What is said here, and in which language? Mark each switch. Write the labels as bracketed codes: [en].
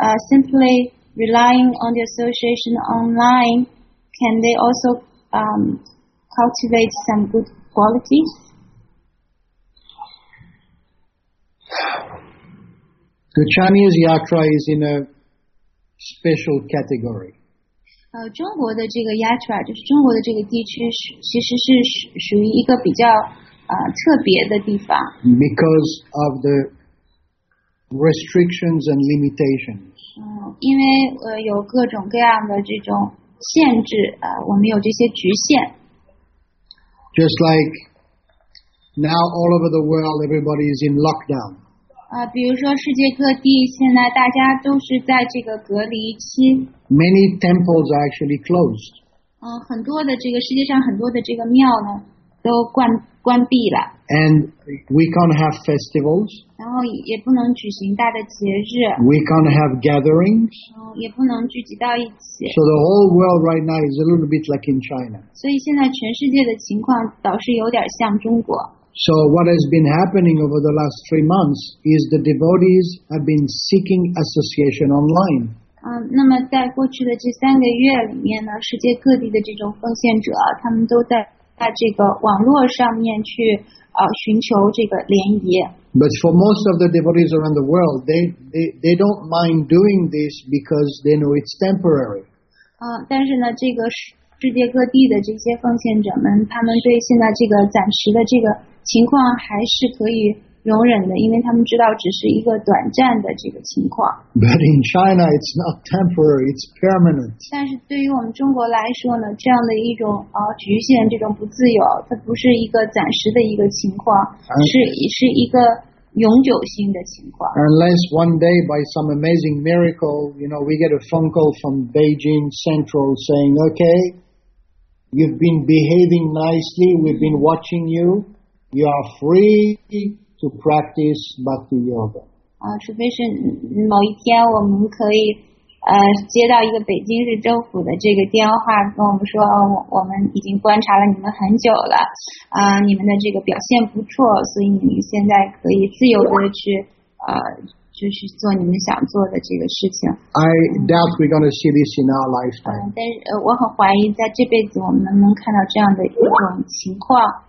[en] Simply relying on the association online, can they also cultivate some good qualities? The Chinese yatra is in a special category. [zh] 中国的这个 yatra 就是中国的这个地区其实是属于一个比较特别的地方。 [en] Because of the restrictions and limitations. [zh] 因为有各种各样的这种限制我们有这些局限。 [en] Just like now all over the world everybody is in lockdown. [zh] 比如说世界各地现在大家都是在这个隔离期。 [en] Many temples are actually closed. [zh] 很多的这个世界上很多的这个庙呢都关闭了。 [en] And we can't have festivals. [zh] 然后也不能举行大的节日。 [en] We can't have gatherings. [zh] 也不能聚集到一起。 [en] So the whole world right now is a little bit like in China. [zh] 所以现在全世界的情况倒是有点像中国。 [en] So what has been happening over the last 3 months is the devotees have been seeking association online. [zh] 那么在过去的这三个月里面呢，世界各地的这种奉献者，他们都在这个网络上面去寻求这个联谊。 [en] But for most of the devotees around the world, they don't mind doing this because they know it's temporary. [zh] 但是呢，这个世界各地的这些奉献者们，他们对现在这个暂时的这个情况还是可以容忍的，因为他们知道只是一个短暂的这个情况。 [en] But in China, it's not temporary; it's permanent. [zh] 但是对于我们中国来说呢，这样的一种局限，这种不自由，它不是一个暂时的一个情况，是一个永久性的情况。 [en] Unless one day by some amazing miracle, you know, we get a phone call from Beijing Central saying, okay, you've been behaving nicely, we've been watching you, you are free to practice Bhakti Yoga. [zh] 除非是某一天我们可以接到一个北京市政府的这个电话，跟我们说，我们已经观察了你们很久了，你们的这个表现不错，所以你们现在可以自由的去，就是做你们想做的这个事情。 [en] I doubt we're going to see this in our lifetime. [zh] 但是我很怀疑在这辈子我们能看到这样的一种情况。